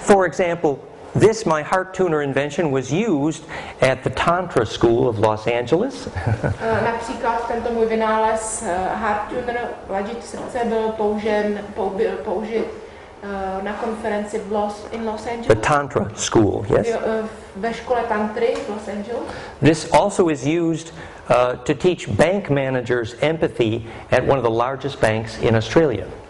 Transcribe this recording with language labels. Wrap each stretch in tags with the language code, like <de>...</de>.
<en>For example, this my heart tuner invention was used at the Tantra School of Los Angeles.</en> <cs>Například tento můj vynález heart tuner ladit srdce byl použit na konferenci</cs> <en>in</en> <cs>Los Angeles.</cs> <en>The Tantra School, yes.</en> <cs>Ve škole tantry v Los Angeles.</cs> <en>This also is used to teach bank managers empathy at one of the largest banks in Australia.</en>